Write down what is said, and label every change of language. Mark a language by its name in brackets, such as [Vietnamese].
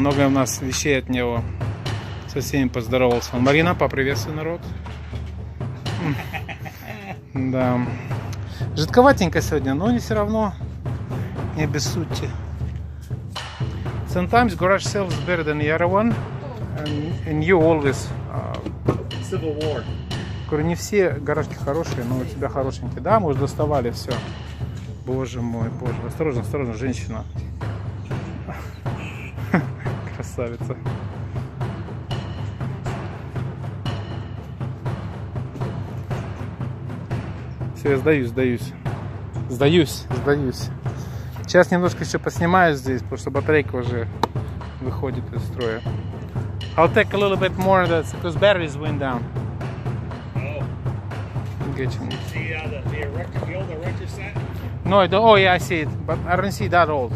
[Russian] Много у нас вещей от него. Со всеми поздоровался. Марина, поприветствуй народ. Да. Жидковатенько сегодня, но не все равно. Не обессудьте. [English] Sometimes garage sales is better than the other one. And you always... Civil War. [Russian] Не все гаражки хорошие, но у тебя хорошенькие. Да, мы уже доставали все. Боже мой, боже. Осторожно, осторожно, женщина. Красавица. Все, я сдаюсь. Сейчас немножко еще поснимаю здесь, потому что батарейка уже выходит из строя. [English] I'll take a little bit more of that, because batteries went down. See the erector, the erector set? No, I see it, but I don't see that old.